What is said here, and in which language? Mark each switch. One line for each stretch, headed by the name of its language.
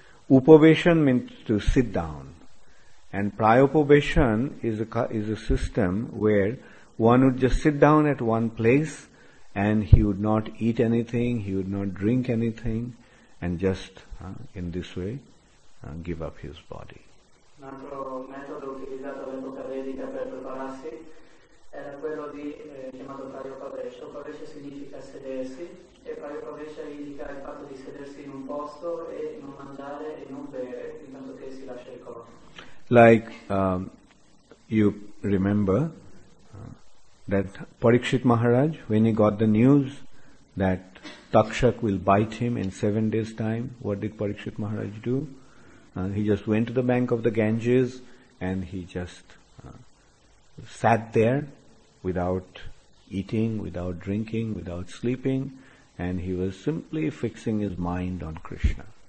English: Upobeshan means to sit down. And Prayopobeshan is a system where one would just sit down at one place and he would not eat anything, he would not drink anything, and just in this way give up his body.
Italian: Un altro metodo utilizzato all'epoca vedica per prepararsi era quello di chiamato Prayopavesha. Prayopavesha significa sedersi, e Prayopavesha indica il fatto di sedersi in un posto e non mangiare e non bere, intanto che si lascia il corpo.
English: Like you remember that Parikshit Maharaj, when he got the news that Takshak will bite him in 7 days' time, what did Parikshit Maharaj do? He just went to the bank of the Ganges and he just sat there without eating, without drinking, without sleeping, and he was simply fixing his mind on Krishna.